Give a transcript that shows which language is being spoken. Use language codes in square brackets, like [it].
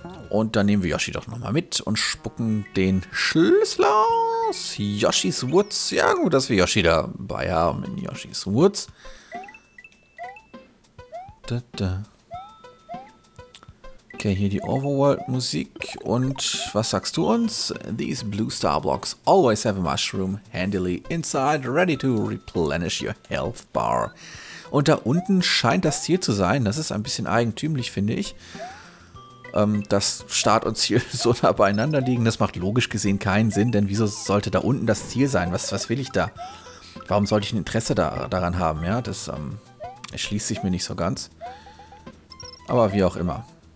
[de] Und dann nehmen wir Yoshi doch nochmal mit und spucken den Schlüssel aus. Yoshi's Woods. Ja, gut, dass wir Yoshi dabei haben in Yoshi's Woods. Okay, hier die Overworld-Musik. Und was sagst du uns? [en] These blue star blocks always have a mushroom handily inside, ready to replenish your health bar. [de] Und da unten scheint das Ziel zu sein. Das ist ein bisschen eigentümlich, finde ich. Dass Start und Ziel so nah beieinander liegen, das macht logisch gesehen keinen Sinn, denn wieso sollte da unten das Ziel sein? Was will ich da? Warum sollte ich ein Interesse daran haben? Ja, das erschließt sich mir nicht so ganz. Aber wie auch immer.